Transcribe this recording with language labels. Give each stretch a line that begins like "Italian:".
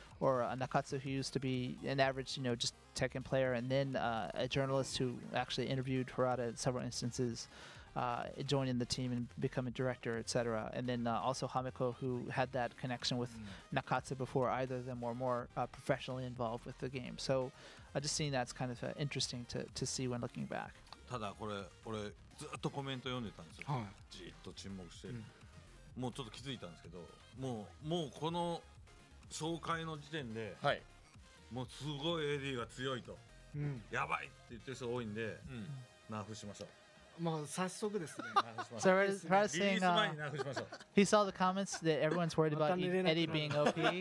English: Or Nakatsu, who used to be an average, you know, just Tekken player and then a journalist who actually interviewed Harada in several instances. Joining the team and becoming director, etc. And then also Hameko, who had that connection with Nakatsu before either of them were more professionally involved with the game. So I just seen that's kind of interesting to see when looking back.
Japanese: ただこれ俺ずっとコメント読んでたんですよ。じっと沈黙して、もうちょっと気づいたんですけど、もうこの紹介の時点で、もうすごい AD が強いと、やばいって言ってる人多いんで、ナーフしましょう。
English: So Harada's saying he saw the comments that everyone's worried about Eddy being OP.